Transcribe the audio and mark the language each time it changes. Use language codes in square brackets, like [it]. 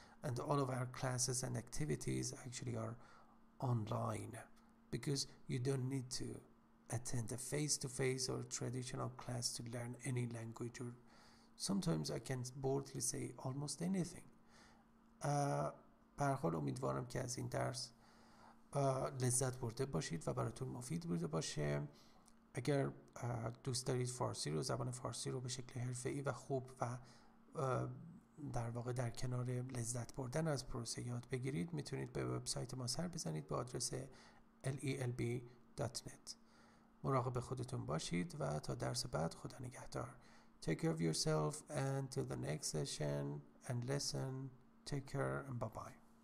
[en] And all of our classes and activities actually are online because you don't need to attend a face-to-face or traditional class to learn any language or sometimes I can boldly say almost anything. [fa] برحال امیدوارم که از این درس لذت برده باشید و براتون مفید بوده باشه اگر دوست دارید فارسی رو زبان فارسی رو به شکل حرفه‌ای و خوب و در واقع در کنار لذت بردن از پروسه یاد بگیرید، میتونید به وبسایت ما سر بزنید به آدرس lelb.net. مراقب خودتون باشید و تا درس بعد خدا نگهدار. [en] Take care of yourself and till the next session and lesson. Take care and bye-bye.